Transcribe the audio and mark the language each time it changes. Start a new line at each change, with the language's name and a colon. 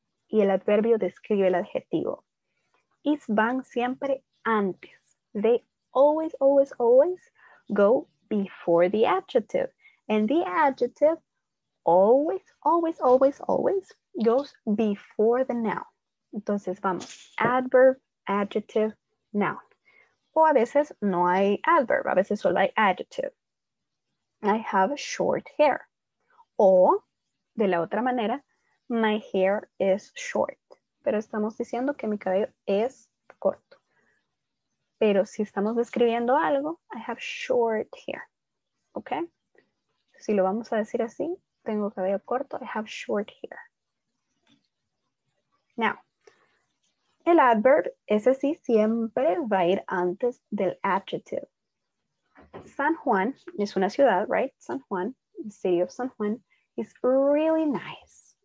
Spanish: Y el adverbio describe el adjetivo. Y van siempre antes.
English: They always, always, always go before the adjective. And the adjective always, always, always, always goes before the noun.
Spanish: Entonces, vamos, adverb, adjective, noun. O a veces no hay adverb, a veces solo hay adjective.
English: I have short hair.
Spanish: O, de la otra manera,
English: my hair is short.
Spanish: Pero estamos diciendo que mi cabello es corto. Pero si estamos describiendo algo,
English: I have short hair.
Spanish: ¿Ok? Si lo vamos a decir así, tengo cabello corto,
English: I have short hair.
Spanish: Now, el adverb, ese sí, siempre va a ir antes del adjective. San Juan es una ciudad, right?
English: San Juan, the city of San Juan, is really nice.